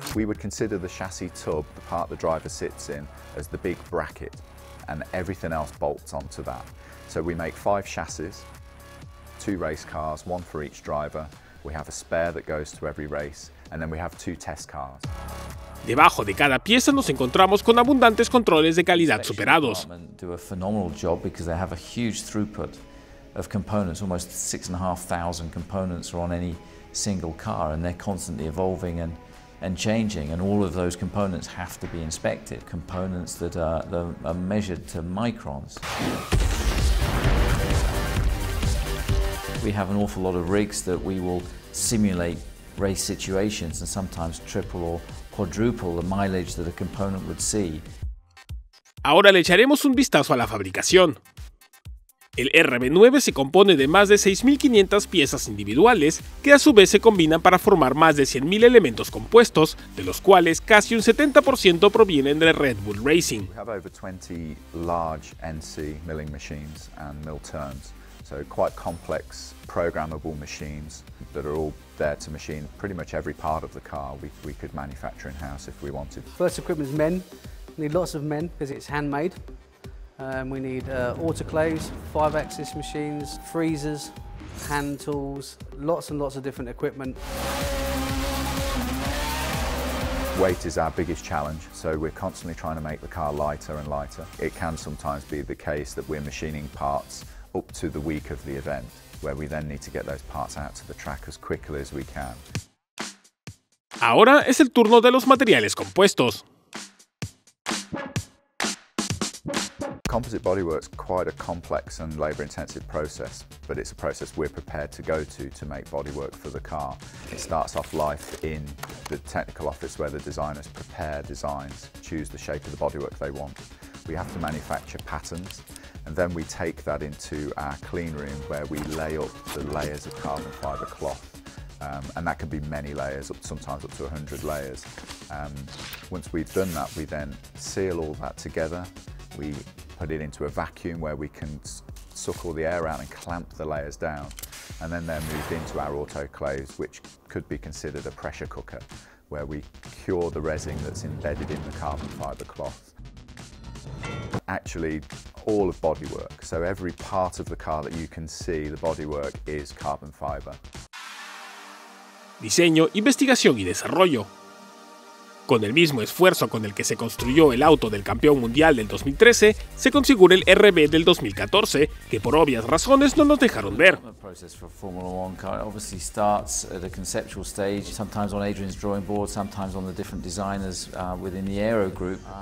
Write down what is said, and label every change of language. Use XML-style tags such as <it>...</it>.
<en>We would consider the chassis tub, the part the driver sits in, as the big bracket, and everything else bolts onto that. So we make 5 chassis, 2 race cars, 1 for each driver. We have a spare that goes to every race, and then we have 2 test cars.</en> <es>Debajo de cada pieza nos encontramos con abundantes controles de calidad superados.</es> <en>Do a phenomenal job because they have a huge throughput of components. Almost 6,500 components are on any single car, and they're constantly evolving and changing, and all of those components have to be inspected. Components that are measured to microns. We have an awful lot of rigs that we will simulate race situations and sometimes triple or quadruple the mileage that a component would see.</en> <es>Ahora le echaremos un vistazo a la fabricación. El RB9 se compone de más de 6.500 piezas individuales, que a su vez se combinan para formar más de 100.000 elementos compuestos, de los cuales casi un 70% provienen de Red Bull Racing.</es> <en>We have over 20 large NC milling machines and mill turns, so quite complex programmable machines that are all there to machine pretty much every part of the car we could manufacture in-house if we wanted. First equipment is men. We need lots of men because it's handmade. We need autoclaves, 5-axis machines, freezers, hand tools, lots and lots of different equipment. Weight is our biggest challenge, so we're constantly trying to make the car lighter and lighter. It can sometimes be the case that we're machining parts up to the week of the event, where we then need to get those parts out to the track as quickly as we can.</en> <es>Ahora es el turno de los materiales compuestos.</es> <en>Composite bodywork is quite a complex and labor-intensive process, but it's a process we're prepared to go to make bodywork for the car. It starts off life in the technical office where the designers prepare designs, choose the shape of the bodywork they want. We have to manufacture patterns, and then we take that into our clean room where we lay up the layers of carbon fiber cloth. And that can be many layers, sometimes up to 100 layers. Once we've done that, we then seal all that together. We put it into a vacuum where we can suck all the air out and clamp the layers down. And then they're moved into our autoclaves, which could be considered a pressure cooker, where we cure the resin that's embedded in the carbon fiber cloth. Actually, all of bodywork. So every part of the car that you can see, the bodywork is carbon fiber.</en> <es>Diseño, investigación y desarrollo. Con el mismo esfuerzo con el que se construyó el auto del campeón mundial del 2013, se configura el RB del 2014, que por obvias razones no nos dejaron ver. El proceso para Formula 1 obviamente empieza en la stage conceptual, a veces en</es> <en>Adrian's drawing board,</en> <es>a veces en los diferentes designers dentro del</es> <en>aero group.</en>